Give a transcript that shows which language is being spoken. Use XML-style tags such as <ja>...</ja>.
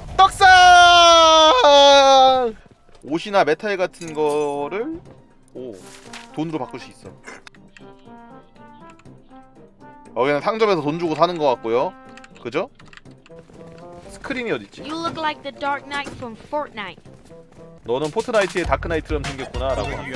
<ko>떡상! 옷이나 메탈 같은 거를 오, 돈으로 바꿀 수 있어. 어, 그냥 상점에서 돈 주고 사는 거 같고요. 그죠? 스크린이 어딨지?</ko> <en>You look like the Dark Knight from Fortnite.</en> <ko>너는 포트나이트의 다크나이트처럼 생겼구나 라고.</ko>